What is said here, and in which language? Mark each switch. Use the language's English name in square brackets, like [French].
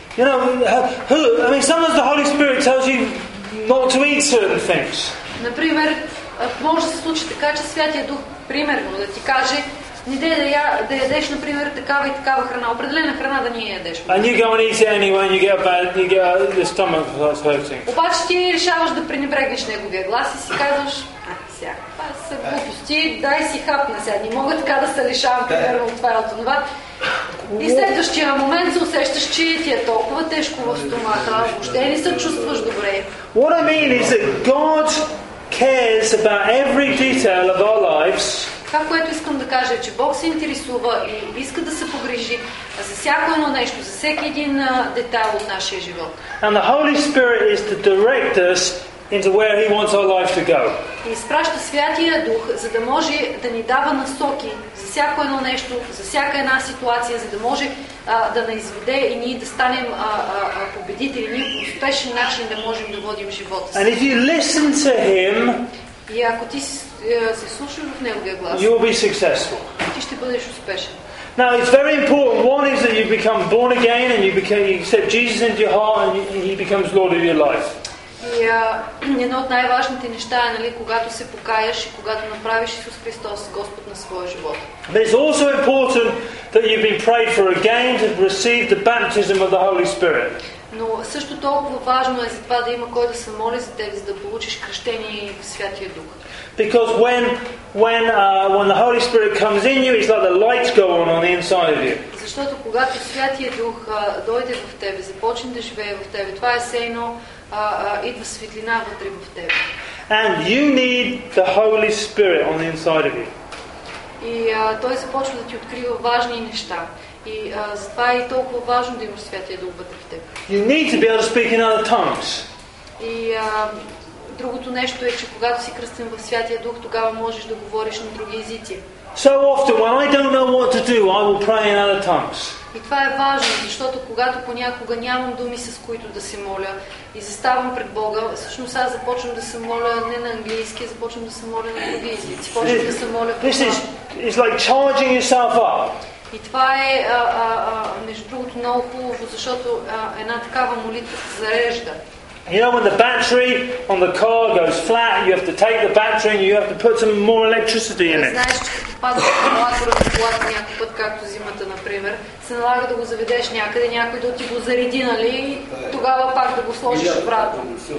[English] You know, sometimes the Holy Spirit tells you not to eat certain things. [Bulgarian] Например, може да се случи така, че Святия Дух, примерно, да ти каже, не дей да ядеш, например, такава и такава храна. Определена храна да не я ядеш. [English] And you go and eat it anyway, you get a bad, you get the stomach starts hurting. [Bulgarian] Обаче ти решаваш да пренебрегнеш неговия глас и си казваш, сега, са глупости, дай си хапна сега. Не мога така да се лишавам, примерно, от това и от това. И следващия момент се усещаш, че ти е толкова тежко в стомаха, въобще не се чувстваш добре. [English] What I mean is that God cares about every detail of our lives. [Bulgarian] Това, което искам да кажа, е, че Бог се интересува и иска да се погрижи за всяко едно нещо, за всеки един детайл от нашия живот. [English] And the Holy Spirit is to direct us into where He wants our life to go. [Bulgarian] И изпраща Святия Дух, за да може да ни дава насоки за всяко едно нещо, за всяка една ситуация, за да може да ни изведе и ние да станем победители, ние по успешен начин да можем да водим живота си. [English] And if you listen to Him, [Bulgarian] и ако ти се слушаш в неговия глас, [English] you'll be successful. [Bulgarian] Ти ще бъдеш успешен. [English] Now it's very important. One is that you become born again and you accept Jesus into your heart and He becomes Lord of your life. [Bulgarian] И едно от най-важните неща е, нали, когато се покаяш и когато направиш Исус Христос Господ на своя живот. [English] But it's also important that you've been prayed for again to receive the baptism of the Holy Spirit. [Bulgarian] Но също толкова важно е за това да има кой да се моли за теб, за да получиш кръщение в Святия Дух. [English] Because when the Holy Spirit comes in you, it's like the lights go on the inside of you. [Bulgarian] Защото когато Святия Дух дойде в тебе, започне да живее в тебе, това е все едно, идва светлина вътре в тебе. [English] And you need the Holy Spirit on the inside of you. [Bulgarian] И той започва да ти открива важни неща. И затова е толкова важно да имаш Святия Дух вътре в теб. [English] You need to be able to speak in other tongues. [Bulgarian] И другото нещо е, че когато си кръстен в Святия Дух, тогава можеш да говориш на други езици. [English] So often when I don't know what to do, I will pray in other tongues. [Bulgarian] И това е важно, защото когато понякога нямам думи, с които да се моля и заставам пред Бога, всъщност аз започвам да се моля не на английски, а започвам да се моля на други езици. Започвам да се моля. [English] This is it's like charging yourself up. [Bulgarian] И това е, между другото, много хубаво, защото една такава молитва се зарежда. [English] You know, when the battery on the car goes flat, you have to take the battery and you have to put some more electricity in it. [Bulgarian] Знаеш, че като падаш акумулатора на колата някой път, както зимата, например, се налага да го заведеш някъде, някой да ти го зареди, нали, и тогава пак да го сложиш обратно.